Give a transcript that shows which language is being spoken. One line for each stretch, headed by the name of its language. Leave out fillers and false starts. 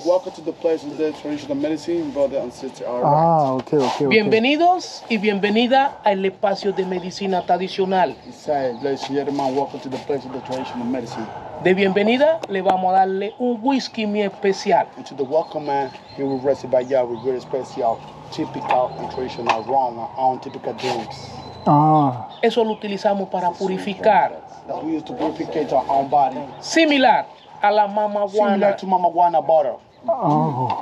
English: Okay, welcome to the place of the traditional medicine, brother and sister. Ah, okay, okay.
Spanish: Bienvenidos y bienvenida al espacio de medicina tradicional.
English: He said, ladies and gentlemen, welcome to the place of the traditional medicine.
Spanish: De bienvenida, le vamos a darle un whisky muy especial.
English: And to the welcome man, he will receive by you with very special, typical and traditional rum, our own typical drinks. Ah.
Spanish: Eso lo utilizamos para it's purificar.
English: That we use to purificate our own body.
Spanish: Similar. A la mamaguana.
English: Similar to mamaguana butter. Oh.